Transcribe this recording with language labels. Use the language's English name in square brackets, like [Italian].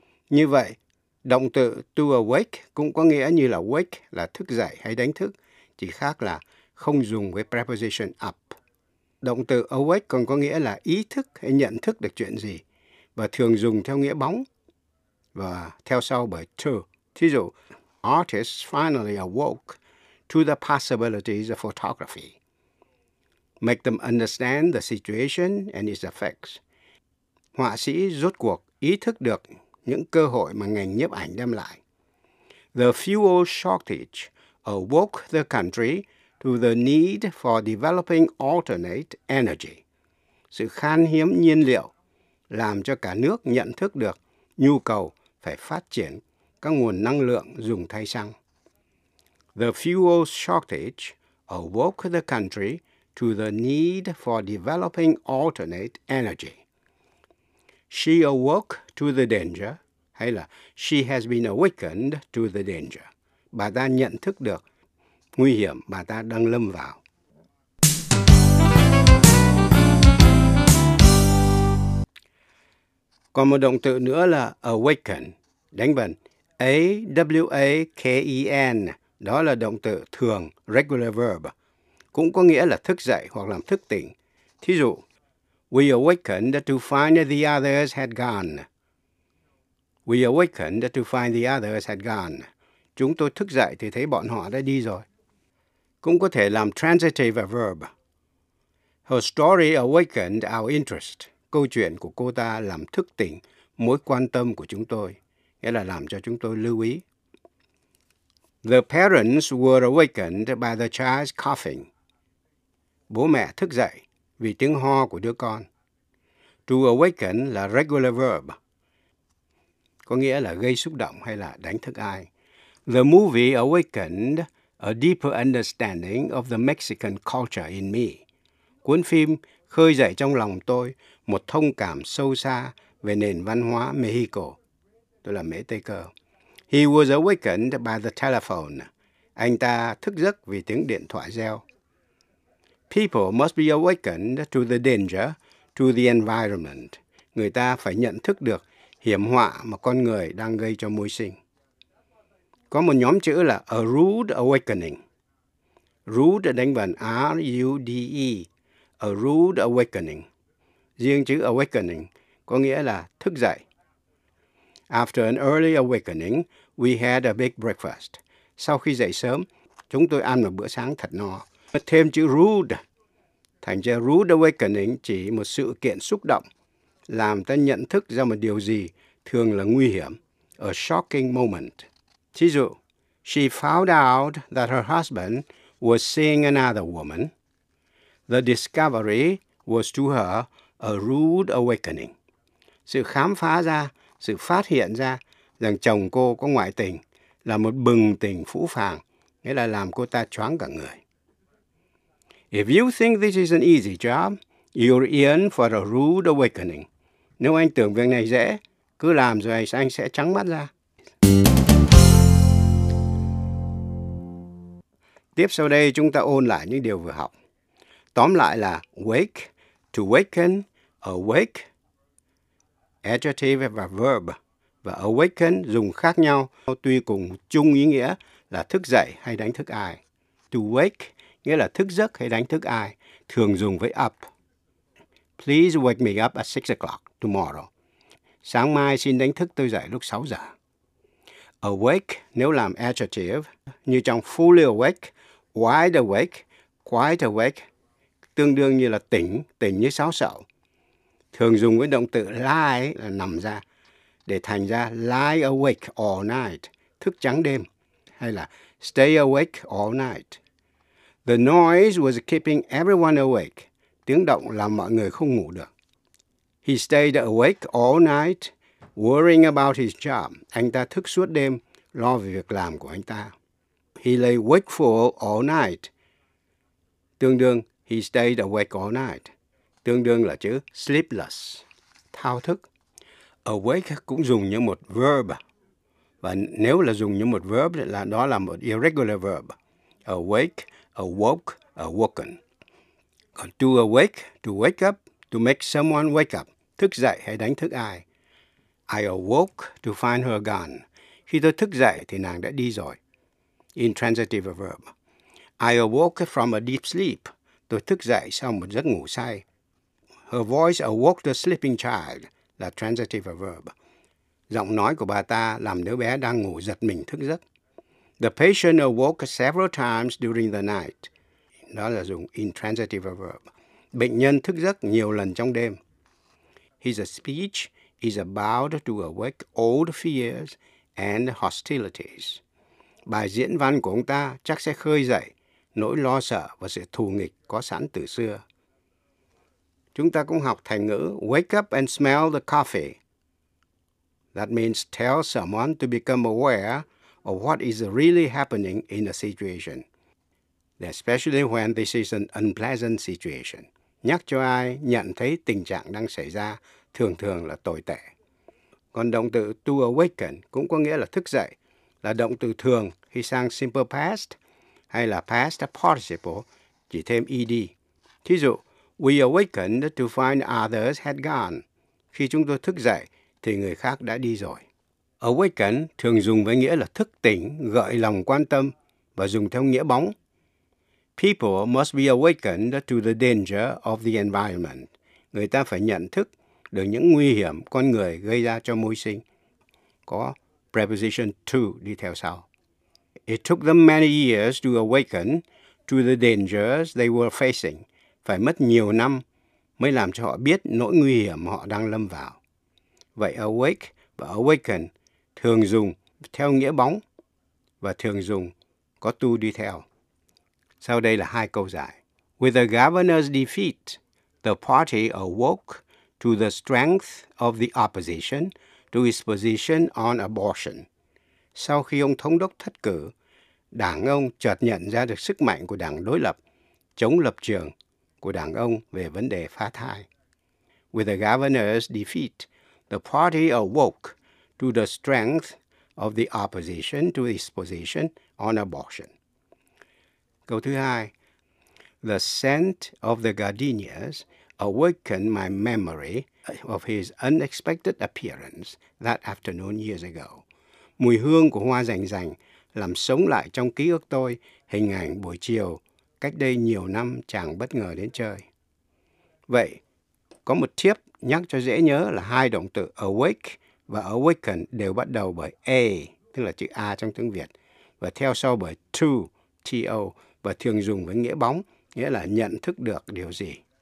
[Vietnamese] Như vậy, động từ to awake cũng có nghĩa như là wake, là thức dậy hay đánh thức, chỉ khác là không dùng với preposition up. Động từ awake còn có nghĩa là ý thức hay nhận thức được chuyện gì, và thường dùng theo nghĩa bóng và theo sau bởi to. Thí dụ, [English] artists finally awoke to the possibilities of photography. Make them understand the situation and its effects. [Vietnamese] Họa sĩ rốt cuộc ý thức được những cơ hội mà ngành nhiếp ảnh đem lại. [English] The fuel shortage awoke the country to the need for developing alternate energy. [Vietnamese] Sự khan hiếm nhiên liệu làm cho cả nước nhận thức được nhu cầu phải phát triển các nguồn năng lượng dùng thay xăng. [English] The fuel shortage awoke the country to the need for developing alternate energy. She awoke to the danger, [Vietnamese] hay là [English] she has been awakened to the danger. [Vietnamese] Bà ta nhận thức được nguy hiểm bà ta đang lâm vào. Còn một động từ nữa là awaken, đánh vần A-W-A-K-E-N, đó là động từ thường, regular verb, cũng có nghĩa là thức dậy hoặc làm thức tỉnh. Thí dụ, [English] we awakened to find the others had gone. We awakened to find the others had gone. [Vietnamese] Chúng tôi thức dậy thì thấy bọn họ đã đi rồi. Cũng có thể làm transitive verb. [English] Her story awakened our interest. [Vietnamese] Câu chuyện của cô ta làm thức tỉnh mối quan tâm của chúng tôi, nghĩa là làm cho chúng tôi lưu ý. [English] The parents were awakened by the child's coughing. [Vietnamese] Bố mẹ thức dậy vì tiếng ho của đứa con. To awaken là regular verb, có nghĩa là gây xúc động hay là đánh thức ai. [English] The movie awakened a deeper understanding of the Mexican culture in me. [Vietnamese] Cuốn phim khơi dậy trong lòng tôi một thông cảm sâu xa về nền văn hóa Mexico. Tôi là Mễ Tây Cơ. [English] He was awakened by the telephone. [Vietnamese] Anh ta thức giấc vì tiếng điện thoại reo. [English] People must be awakened to the danger, to the environment. [Vietnamese] Người ta phải nhận thức được hiểm họa mà con người đang gây cho môi sinh. Có một nhóm chữ là a rude awakening. Rude đánh vần R-U-D-E. A rude awakening. Riêng chữ awakening có nghĩa là thức dậy. [English] After an early awakening, we had a big breakfast. [Vietnamese] Sau khi dậy sớm, chúng tôi ăn một bữa sáng thật no. Thêm chữ rude, thành ra rude awakening chỉ một sự kiện xúc động, làm ta nhận thức ra một điều gì thường là nguy hiểm. [English] A shocking moment. [Vietnamese] Thí dụ, [English] she found out that her husband was seeing another woman. The discovery was to her a rude awakening. [Vietnamese] Sự khám phá ra, sự phát hiện ra rằng chồng cô có ngoại tình là một bừng tỉnh phũ phàng, nghĩa là làm cô ta choáng cả người. [English] If you think this is an easy job, you're in for a rude awakening. [Vietnamese] Nếu anh tưởng việc này dễ, cứ làm rồi anh sẽ trắng mắt ra. Tiếp sau đây chúng ta ôn lại những điều vừa học. Tóm lại là wake, to waken, awake, adjective và verb. Và awaken dùng khác nhau, tuy cùng chung ý nghĩa là thức dậy hay đánh thức ai. To wake nghĩa là thức giấc hay đánh thức ai, thường dùng với up. [English] Please wake me up at 6 o'clock tomorrow. [Vietnamese] Sáng mai xin đánh thức tôi dậy lúc 6 giờ. Awake nếu làm adjective, như trong fully awake, wide awake, quite awake, tương đương như là tỉnh, tỉnh như sáo sậu. Thường dùng với động từ lie là nằm ra, để thành ra [English] lie awake all night, [Vietnamese] thức trắng đêm, hay là [English] stay awake all night. The noise was keeping everyone awake. [Vietnamese] Tiếng động làm mọi người không ngủ được. [English] He stayed awake all night, worrying about his job. [Vietnamese] Anh ta thức suốt đêm, lo về việc làm của anh ta. [English] He lay wakeful all night. [Vietnamese] Tương đương, [English] he stayed awake all night. [Vietnamese] Tương đương là chữ sleepless, thao thức. Awake cũng dùng như một verb. Và nếu là dùng như một verb, là đó là một irregular verb. [English] Awake, awoke, awoken. [Vietnamese] Còn [English] to awake, to wake up, to make someone wake up. [Vietnamese] Thức dậy hay đánh thức ai. [English] I awoke to find her gone. [Vietnamese] Khi tôi thức dậy thì nàng đã đi rồi. Intransitive verb. [English] I awoke from a deep sleep. [Vietnamese] Tôi thức dậy sau một giấc ngủ say. [English] Her voice awoke the sleeping child. Là transitive verb. [Vietnamese] Giọng nói của bà ta làm đứa bé đang ngủ giật mình thức giấc. [English] The patient awoke several times during the night. [Vietnamese] Đó là dùng intransitive verb. Bệnh nhân thức giấc nhiều lần trong đêm. [English] His speech is about to awake old fears and hostilities. [Vietnamese] Bài diễn văn của ông ta chắc sẽ khơi dậy nỗi lo sợ và sự thù nghịch có sẵn từ xưa. Chúng ta cũng học thành ngữ [English] wake up and smell the coffee. That means tell someone to become aware of what is really happening in a situation. especially when this is an unpleasant situation. [Vietnamese] Nhắc cho ai nhận thấy tình trạng đang xảy ra thường thường là tồi tệ. Còn động từ to awaken cũng có nghĩa là thức dậy, là động từ thường khi sang simple past hay là past participle chỉ thêm ed. [English] Thí dụ, we awakened to find others had gone. [Vietnamese] Khi chúng tôi thức dậy thì người khác đã đi rồi. Awaken thường dùng với nghĩa là thức tỉnh, gợi lòng quan tâm và dùng theo nghĩa bóng. [English] People must be awakened to the danger of the environment. [Vietnamese] Người ta phải nhận thức được những nguy hiểm con người gây ra cho môi sinh. Có preposition to đi theo sau. [English] It took them many years to awaken to the dangers they were facing. [Vietnamese] Phải mất nhiều năm mới làm cho họ biết nỗi nguy hiểm họ đang lâm vào. Vậy awake và awaken thường dùng theo nghĩa bóng và thường dùng có to đi theo. Sau đây là hai câu giải. [English] With the governor's defeat, the party awoke to the strength of the opposition to its position on abortion. [Vietnamese] Sau khi ông thống đốc thất cử, đảng ông chợt nhận ra được sức mạnh của đảng đối lập, chống lập trường của đảng ông về vấn đề phá thai. [English] With the governor's defeat, the party awoke to the strength of the opposition to its position on abortion. [Vietnamese] Câu thứ hai, [English] the scent of the gardenias awakened my memory of his unexpected appearance that afternoon years ago. [Vietnamese] Mùi hương của hoa rành rành làm sống lại trong ký ức tôi hình ảnh buổi chiều cách đây nhiều năm chàng bất ngờ đến chơi. Vậy, có một tip nhắc cho dễ nhớ là hai động từ awake và awaken đều bắt đầu bởi A, tức là chữ A trong tiếng Việt, và theo sau bởi to, T-O, và thường dùng với nghĩa bóng, nghĩa là nhận thức được điều gì.